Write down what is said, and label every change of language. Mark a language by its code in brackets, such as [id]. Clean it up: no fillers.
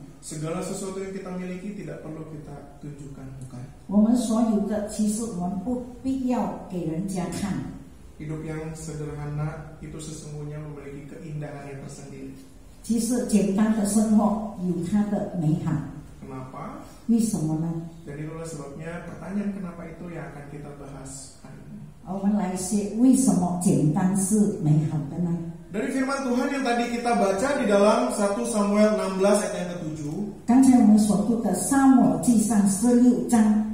[id] Segala sesuatu yang kita miliki tidak perlu kita tunjukkan bukan. [zh] 我们所有的其实我们不必要给人家看. [id] Hidup yang sederhana itu sesungguhnya memiliki keindahan yang tersendiri. [zh] 其实简单的生活有它的美好. [id] Kenapa? [zh] 为什么呢? [id] Dan itulah sebabnya pertanyaan kenapa itu yang akan kita bahas hari ini. [zh] 我们来写为什么简单是美好的呢? [id] Dari firman Tuhan yang tadi kita baca di dalam 1 Samuel 16 ayat yang ke-7. [zh] 刚才我们所读的撒母耳记上16章.